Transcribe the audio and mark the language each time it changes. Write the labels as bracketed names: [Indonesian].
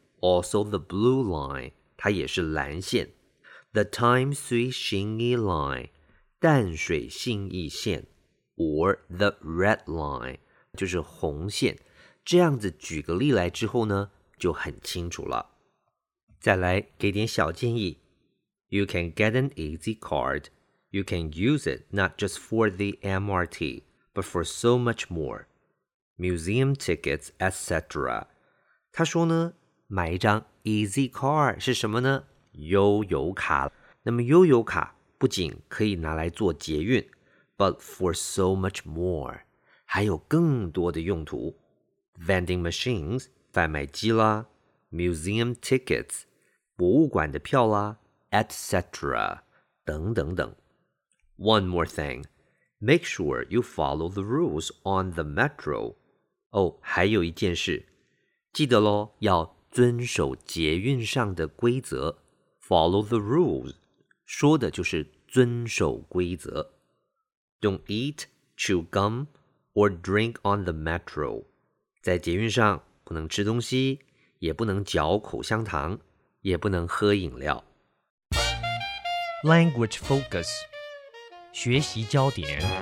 [English] Also the blue line, [Chinese] 它也是蓝线。 [English] The Taipei Xinyi line, 淡水信义线。 Or the red line, [Chinese] 就是红线。这样子举个例来之后呢，就很清楚了。再来给点小建议。 [English] You can get an easy card. You can use it not just for the MRT, but for so much more. [Chinese] Museum tickets, etc. 他说呢，买一张 Easy Card 是什么呢？悠游卡。那么悠游卡不仅可以拿来做捷运， [English] but for so much more， [Chinese] 还有更多的用途。 Vending machines， 贩卖机啦， Museum tickets， 博物馆的票啦， etc. 等等等。 [English] One more thing， make sure you follow the rules on the metro。 [Chinese] 哦，还有一件事，记得咯，要遵守捷运上的规则， follow the rules， 说的就是遵守规则。 [English] Don't eat, chew gum, or drink on the metro. [Chinese] 在捷运上不能吃东西，也不能嚼口香糖，也不能喝饮料。 Language focus， 学习焦点。